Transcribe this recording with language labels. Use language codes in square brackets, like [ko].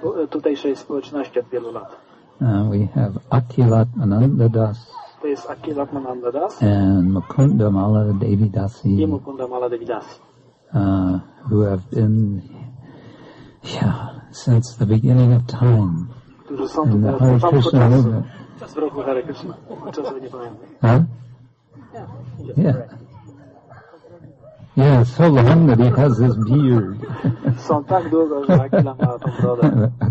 [pl] Tutejszej społeczności od wielu lat. [en] We have Akhilatmananda Das. [pl] To jest Akhilatmananda Das. [en] And Mukundamala Devi Dasi. [pl] I Mukundamala Devi Dasi. [en] Who have been, yeah, since the beginning of time. [pl] Którzy są tutaj od początku czasu. Czas w roku Hare Krishna. Czasu nie pamiętam. Huh? [en] Yeah. Yeah, so long that he has his beard. [pl] Są tak długo, że Akhila ma tą brodę.